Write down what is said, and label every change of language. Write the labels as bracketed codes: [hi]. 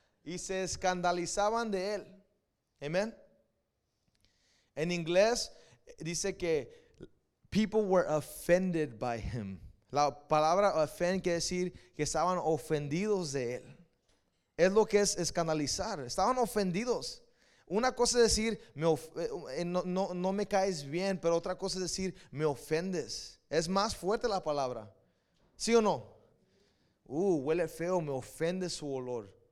[es] y se escandalizaban de él. Amen. En inglés dice que [en] people were offended by him. [es] La palabra offend quiere decir que estaban ofendidos de él. Es lo que es escandalizar. Estaban ofendidos. Una cosa es decir, no me caes bien, pero otra cosa es decir, me ofendes. Es más fuerte la palabra. ¿Sí o no? Huele feo, me ofende su olor.